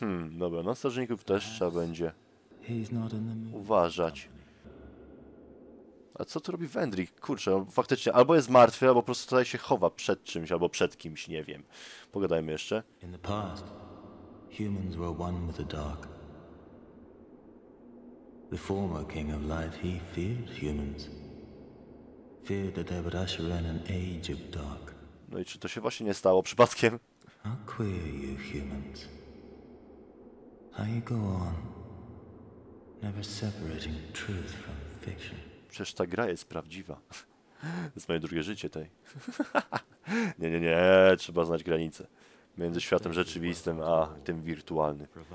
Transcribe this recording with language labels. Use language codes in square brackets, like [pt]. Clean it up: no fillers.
[pl] Dobra, na strażników też trzeba będzie uważać. A co tu robi Wendrick? Kurczę, faktycznie, albo jest martwy, albo po prostu tutaj się chowa przed czymś, albo przed kimś, nie wiem. Pogadajmy jeszcze. [en] Humans were one with the dark. The former king of light, he feared humans. Feared that they would usher in an age of dark. [pl] No i czy to się właśnie nie stało przypadkiem? [en] How queer you humans. How you go on, never separating truth from fiction. [pl] Przecież ta gra jest prawdziwa. To jest moje drugie życie tej. Nie, nie, nie, trzeba znać granice. Między światem rzeczywistym, a tym wirtualnym.